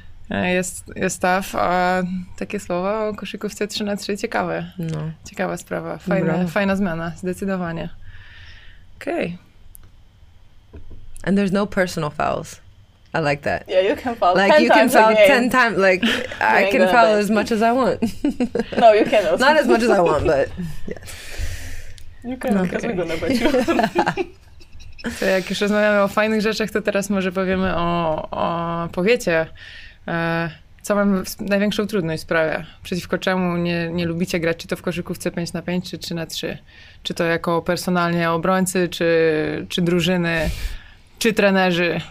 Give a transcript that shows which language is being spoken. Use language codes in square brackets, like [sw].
[pl] Jest staw, a takie słowa o koszykówce 3x3 ciekawe. No. Ciekawa sprawa, fajna zmiana, zdecydowanie. Okej. [en] Okay. And there's no personal fouls. I like that. Yeah, you can foul. Like, ten you can times foul 10 times. Like, I can foul as much as I want. No, you can also. Not as much as I want, but yes. You can, because we're gonna bet you. [pl] To jak już rozmawiamy o fajnych rzeczach, to teraz może powiemy o powiecie. Co wam największą trudność sprawia? Przeciwko czemu nie lubicie grać? Czy to w koszykówce 5 na 5, czy 3 na 3? Czy to jako personalnie obrońcy, czy drużyny, czy trenerzy?